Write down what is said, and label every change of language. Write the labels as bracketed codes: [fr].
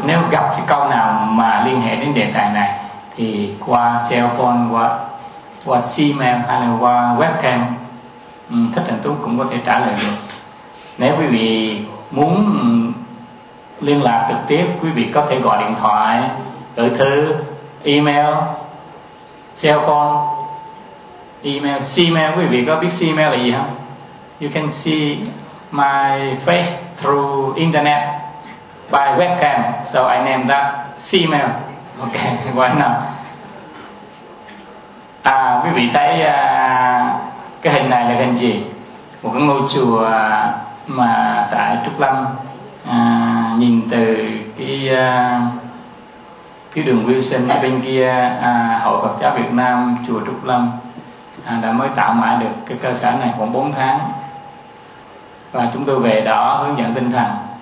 [vi] Nếu gặp cái câu nào mà liên hệ đến đề tài này thì qua cell phone, qua email hay là qua webcam, Thích Thành Tú cũng có thể trả lời được. Nếu quý vị muốn liên lạc trực tiếp, quý vị có thể gọi điện thoại, gửi thư, email, cell phone, email, email. Quý vị có biết email là gì không? [en] You can see my face through internet by webcam, so I name that email. Ok, why not? [vi] Quý vị thấy cái hình này là hình gì? Một cái ngôi chùa mà tại Trúc Lâm, nhìn từ cái phía đường Wilson bên kia, Hội Phật giáo Việt Nam chùa Trúc Lâm đã mới tạo mãi được cái cơ sở này khoảng 4 tháng, và chúng tôi về đó hướng dẫn tinh thần.